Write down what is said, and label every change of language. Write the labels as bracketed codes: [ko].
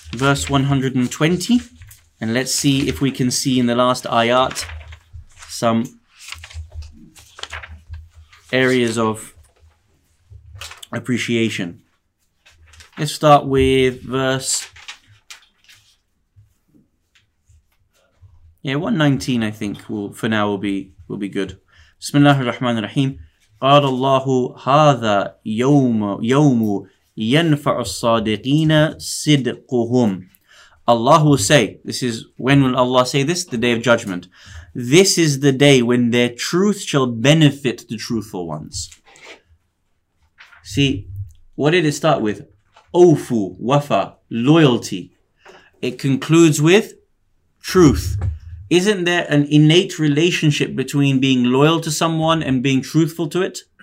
[en] Verse 120. And let's see if we can see in the last ayat some areas of appreciation. Let's start with verse 119, I think, will be good. [ar] Bismillah ar-Rahman ar-Rahim. قال الله هذا يوم ينفع الصادقين صدقهم. [en] Allah will say, this is, when will Allah say this? The day of judgment. This is the day when their truth shall benefit the truthful ones. See, what did it start with? Ofu, wafa, loyalty. It concludes with truth. Isn't there an innate relationship between being loyal to someone and being truthful to it?